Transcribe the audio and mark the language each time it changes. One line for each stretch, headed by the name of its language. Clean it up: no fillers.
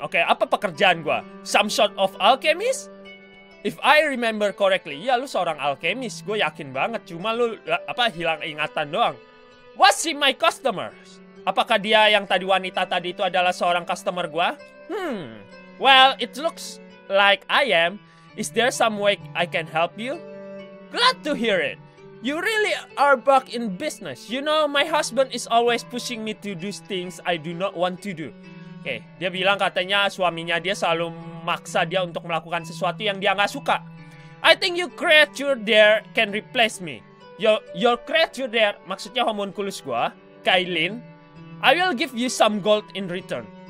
Indonesian: Okay, apa pekerjaan gua?
English: Some sort of alchemist? If I remember correctly,
Indonesian: ya lu seorang alchemist. Gua yakin banget. Cuma lu apa hilang ingatan doang.
English: What's in my customers?
Indonesian: Apakah dia yang tadi wanita tadi itu adalah seorang customer gua?
English: Well, it looks like I am. Is there some way I can help you? Glad to hear it. You really are back in business. You know, my husband is always pushing me to do things I do not want to do.
Indonesian: Okay, dia bilang katanya suaminya dia selalu maksa dia untuk melakukan sesuatu yang dia gak suka.
English: I think your creature there can replace me. Your creature there,
Indonesian: maksudnya homunculus gua,
English: Kailin. I will give you some gold in return.